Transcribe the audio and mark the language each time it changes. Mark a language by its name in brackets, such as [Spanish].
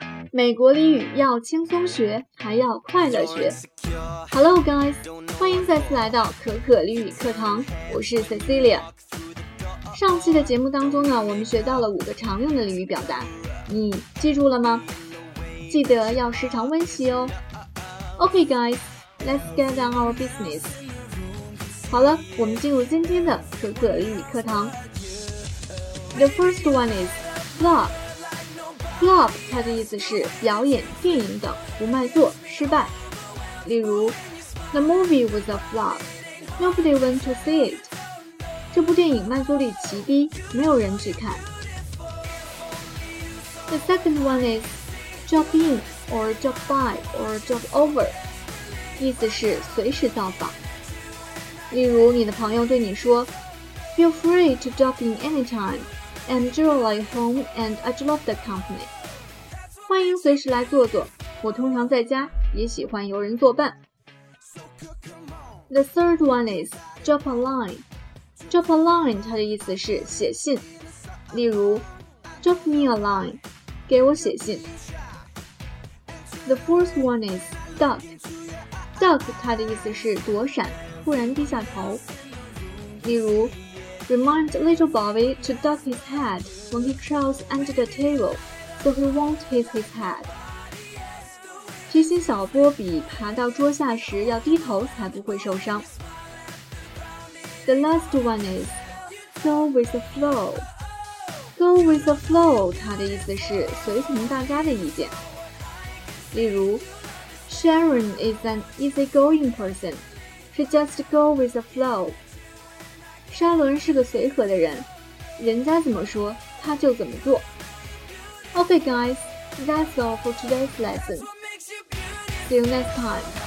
[Chinese] 美国英语要轻松学，还要快乐学。 [English] Hello guys， [Chinese] 欢迎再次来到可可英语课堂，我是 Cecilia。上期的节目当中呢，我们学到了五个常用的俚语表达，你记住了吗？记得要时常温习哦。 [English] OK guys， let's get on our business。 [Chinese] 好了，我们进入今天的可可英语课堂。 [English] The first one is flop。 [Chinese] Flop 它的意思是表演、电影等不卖座、失败。例如 [English] ，The movie was a flop. Nobody went to see it. [Chinese] 这部电影卖座率极低，没有人去看。 [English] The second one is drop in or drop by or drop over. [Chinese] 意思是随时造访。例如，你的朋友对你说 ， [English] Feel free to drop in anytime. I'm generally home and I love the company. [Chinese] 欢迎随时来坐坐，我通常在家，也喜欢有人作伴。 [English] The third one is drop a line. Drop a line [Chinese] 它的意思是写信。例如 [English] drop me a line, [Chinese] 给我写信。 [English] The fourth one is duck. [Chinese] Duck 它的意思是躲闪，突然低下头。例如 [English] Remind little Bobby to duck his head when he crawls under the table, so he won't hit his head. [Chinese] 提醒小波比爬到桌下时要低头才不会受伤。 [English] The last one is go with the flow. Go with the flow, [Chinese] 它的意思是随从大家的意见。例如 [English] Sharon is an easygoing person. She just go with the flow. [Chinese] 沙伦是个随和的人，人家怎么说他就怎么做。 [English] OK guys, that's all for today's lesson. See you next time.